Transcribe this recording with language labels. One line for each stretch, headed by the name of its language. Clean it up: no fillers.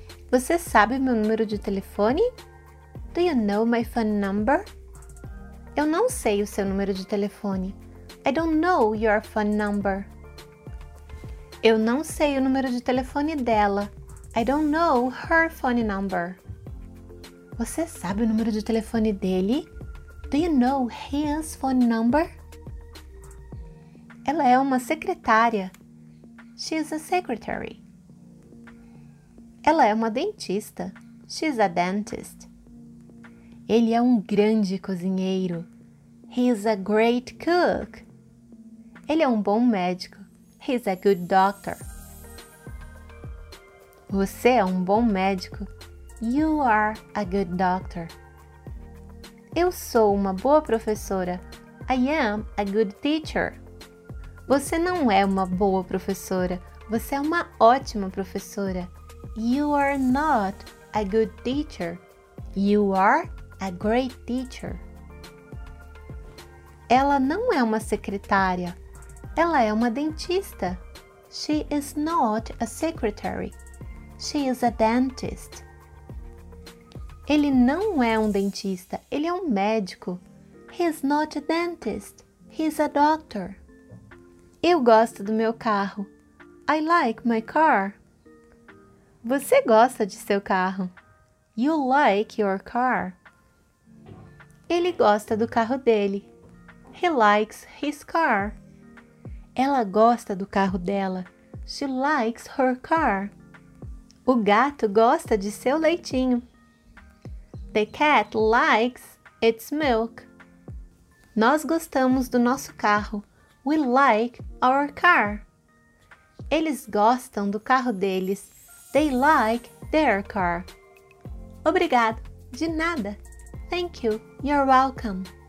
Portuguese: Você sabe meu número de telefone?
English: Do you know my phone number?
Portuguese: Eu não sei o seu número de telefone.
English: I don't know your phone number.
Portuguese: Eu não sei o número de telefone dela.
English: I don't know her phone number.
Portuguese: Você sabe o número de telefone dele?
English: Do you know his phone number?
Portuguese: Ela é uma secretária.
English: She is a secretary.
Portuguese: Ela é uma dentista.
English: She's a dentist.
Portuguese: Ele é um grande cozinheiro.
English: He is a great cook.
Portuguese: Ele é um bom médico.
English: He's a good doctor.
Portuguese: Você é um bom médico.
English: You are a good doctor.
Portuguese: Eu sou uma boa professora.
English: I am a good teacher.
Portuguese: Você não é uma boa professora. Você é uma ótima professora.
English: You are not a good teacher. You are a great teacher.
Portuguese: Ela não é uma secretária. Ela é uma dentista.
English: She is not a secretary. She is a dentist.
Portuguese: Ele não é um dentista. Ele é um médico.
English: He is not a dentist. He is a doctor.
Portuguese: Eu gosto do meu carro.
English: I like my car.
Portuguese: Você gosta de seu carro?
English: You like your car.
Portuguese: Ele gosta do carro dele.
English: He likes his car.
Portuguese: Ela gosta do carro dela.
English: She likes her car.
Portuguese: O gato gosta de seu leitinho.
English: The cat likes its milk.
Portuguese: Nós gostamos do nosso carro.
English: We like our car.
Portuguese: Eles gostam do carro deles.
English: They like their car.
Portuguese: Obrigado. De nada.
English: Thank you. You're welcome.